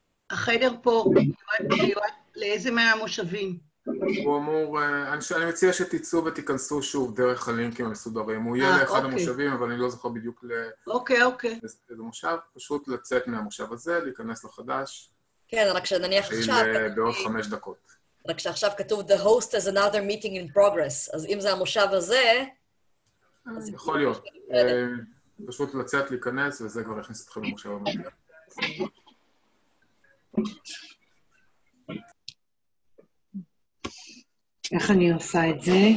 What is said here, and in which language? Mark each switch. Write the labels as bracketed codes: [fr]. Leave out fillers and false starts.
[he] החדר פה מיועד לאיזה מהמושבים? הוא אמור, אני מציע שתיצאו ותיכנסו שוב דרך הלינקים המסודרים. הוא יהיה לאחד המושבים, אבל אני לא זוכר בדיוק לאיזה מושב. פשוט לצאת מהמושב הזה, להיכנס לחדש. כן, רק שנניח עכשיו... בעוד 5 דקות. רק שעכשיו כתוב, [en] the host has another meeting in progress. [he] אז אם זה המושב הזה... יכול להיות. פשוט לצאת, להיכנס, וזה כבר יכניס אתכם למושב המקביל. איך אני עושה את זה?